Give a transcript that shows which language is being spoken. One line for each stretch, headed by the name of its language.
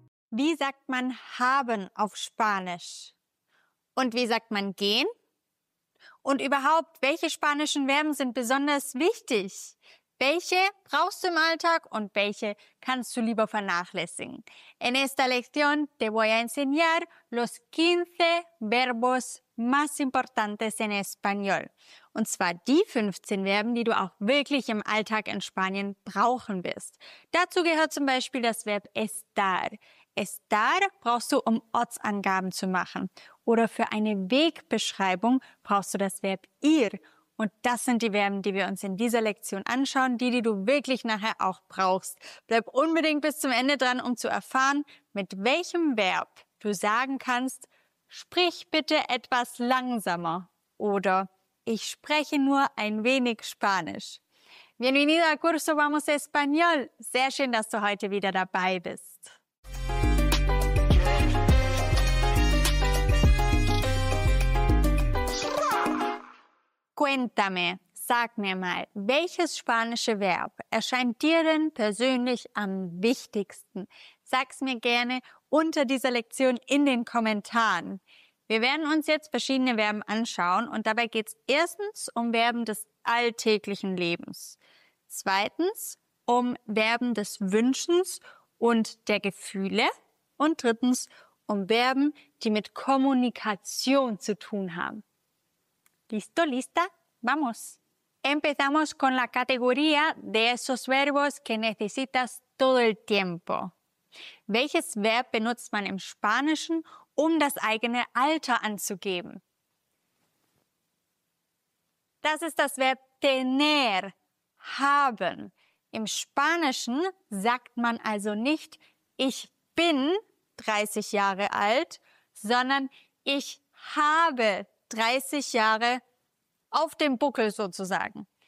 German: Wie sagt man haben auf Spanisch? Und wie sagt man gehen? Und überhaupt, welche spanischen Verben sind besonders wichtig? Welche brauchst du im Alltag und welche kannst du lieber vernachlässigen?
Spanish: En esta lección te voy a enseñar los 15 verbos más importantes en español.
German: Und zwar die 15 Verben, die du auch wirklich im Alltag in Spanien brauchen wirst. Dazu gehört zum Beispiel das Verb estar. Estar brauchst du, um Ortsangaben zu machen. Oder für eine Wegbeschreibung brauchst du das Verb ir. Und das sind die Verben, die wir uns in dieser Lektion anschauen, die du wirklich nachher auch brauchst. Bleib unbedingt bis zum Ende dran, um zu erfahren, mit welchem Verb du sagen kannst, sprich bitte etwas langsamer oder ich spreche nur ein wenig Spanisch.
Spanish: Bienvenido al curso Vamos Español.
German: Sehr schön, dass du heute wieder dabei bist.
Spanish: Cuéntame,
German: sag mir mal, welches spanische Verb erscheint dir denn persönlich am wichtigsten? Sag's mir gerne unter dieser Lektion in den Kommentaren. Wir werden uns jetzt verschiedene Verben anschauen und dabei geht's erstens um Verben des alltäglichen Lebens, zweitens um Verben des Wünschens und der Gefühle und drittens um Verben, die mit Kommunikation zu tun haben.
Spanish: ¿Listo, lista? ¡Vamos! Empezamos con la categoría de esos verbos que necesitas todo el tiempo.
German: ¿Welches Verb benutzt man im Spanischen, um das eigene Alter anzugeben? Das ist das Verb tener, haben. Im Spanischen sagt man also nicht, ich bin 30 Jahre alt, sondern ich habe 30 Jahre auf dem Buckel sozusagen.